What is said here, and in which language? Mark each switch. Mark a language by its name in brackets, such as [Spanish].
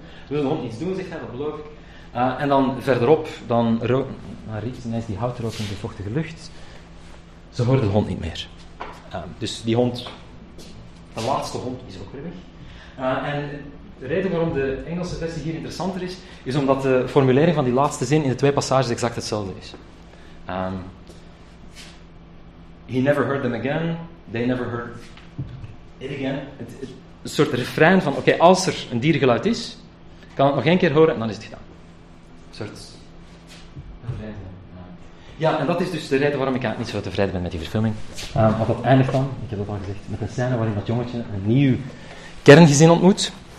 [Dutch] We zullen de hond niets doen, zegt hij, dat beloof ik. En dan verderop, dan riekt ineens die houtrook in de vochtige lucht. Ze hoorden de hond niet meer. Dus die hond, de laatste hond, is ook weer weg. En de reden waarom de Engelse versie hier interessanter is, is omdat de formulering van die laatste zin in de twee passages exact hetzelfde is. [English] He never heard them again. They never heard it again. [Dutch] Een soort refrein van, oké, als er een diergeluid is, kan het nog één keer horen en dan is het gedaan. Een soort refrein. Ja, en dat is dus de reden waarom ik eigenlijk niet zo tevreden ben met die verfilming. Want dat eindigt dan, ik heb dat al gezegd, met een scène waarin dat jongetje een nieuw kerngezin ontmoet.